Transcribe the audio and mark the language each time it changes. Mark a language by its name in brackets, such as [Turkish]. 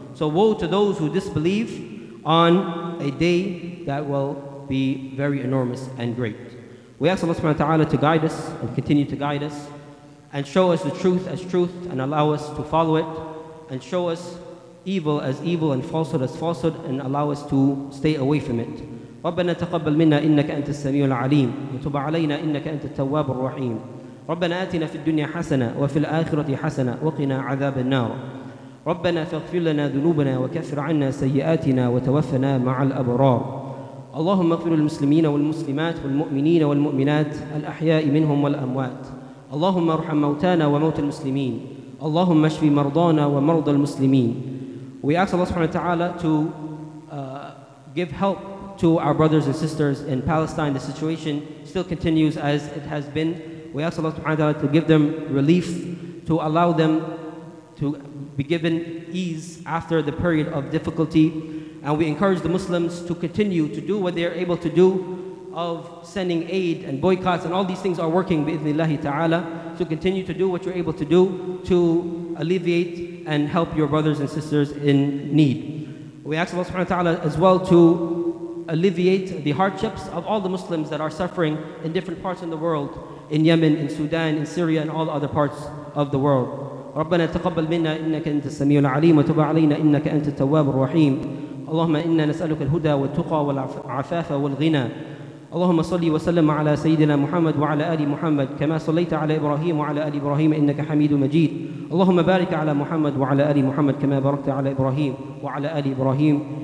[English] So woe to those who disbelieve on a day that will be very enormous and great. We ask Allah subhanahu wa ta'ala to guide us and continue to guide us and show us the truth as truth and allow us to follow it and show us evil as evil and falsehood as falsehood and allow us to stay away from it. [Arabic] ربنا تقبل منا إنك أنت السميع العليم وتب علينا إنك أنت التواب الرحيم. ربنا آتنا في الدنيا حسنة وفي الآخرة حسنة وقنا عذاب النار. ربنا فاغفر لنا ذنوبنا وكفر عنا سيئاتنا وتوفنا مع الأبرار. اللهم اغفر للمسلمين والمسلمات والمؤمنين والمؤمنات الأحياء منهم والأموات. اللهم ارحم موتانا وموت المسلمين. Allahumma shfi mardana wa marda al-muslimin. [English] We ask Allah subhanahu wa ta'ala to give help to our brothers and sisters in Palestine. The situation still continues as it has been. We ask Allah subhanahu wa ta'ala to give them relief, to allow them to be given ease after the period of difficulty. And we encourage the Muslims to continue to do what they are able to do of sending aid and boycotts, and all these things are working bi-idhnillahi ta'ala, to continue to do what you're able to do to alleviate and help your brothers and sisters in need. We ask Allah subhanahu wa ta'ala as well to alleviate the hardships of all the Muslims that are suffering in different parts in the world, in Yemen, in Sudan, in Syria, and all other parts of the world. [Arabic] ربنا تقبل منا إنك أنت السميع العليم وتب علينا إنك أنت التواب الرحيم اللهم إنا نسألك الهدى والتقى والعفاف والغنى اللهم صلي وسلم على سيدنا محمد وعلى آل محمد كما صليت على إبراهيم وعلى آل إبراهيم إنك حميد مجيد اللهم بارك على محمد وعلى آل محمد كما باركت على إبراهيم وعلى آل إبراهيم